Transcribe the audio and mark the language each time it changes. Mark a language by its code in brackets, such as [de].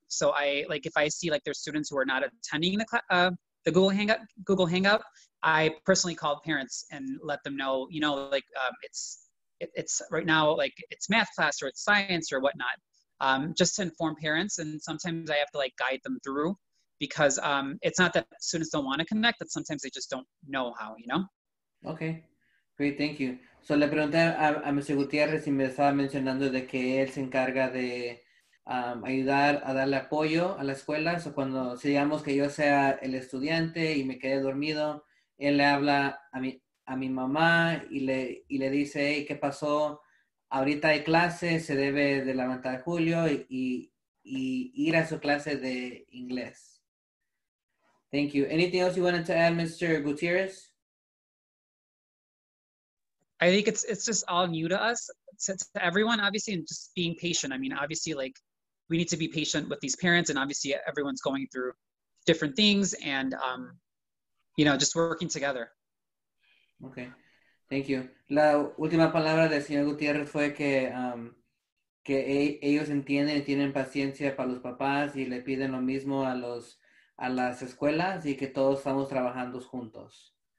[en] So I, like, if I see, like, there's students who are not attending the Google Hangout, I personally call parents and let them know, you know, like, it's right now, like, it's math class or it's science or whatnot, just to inform parents. And sometimes I have to, like, guide them through, because it's not that students don't want to connect, but sometimes they just don't know how, you know? Okay, great, thank you. So [es] le pregunté a [en] Mr. [es] Gutierrez y me estaba mencionando de que él se encarga de ayudar a darle apoyo a la escuela. So cuando, si digamos que yo sea el estudiante y me quedé dormido, él le habla a mi mamá y le dice, hey, ¿qué pasó? Ahorita hay clase, se debe de levantar Julio y ir a su clase de inglés. [en] Thank you. Anything else you wanted to add, Mr. Gutierrez? I think it's just all new to us, to everyone, obviously, and just being patient. I mean, obviously, like, we need to be patient with these parents, and obviously everyone's going through different things and, you know, just working together. Okay, thank you. [es] La última palabra del señor Gutiérrez fue que, que ellos entienden y tienen paciencia para los papás y le piden lo mismo a las escuelas y que todos estamos trabajando juntos.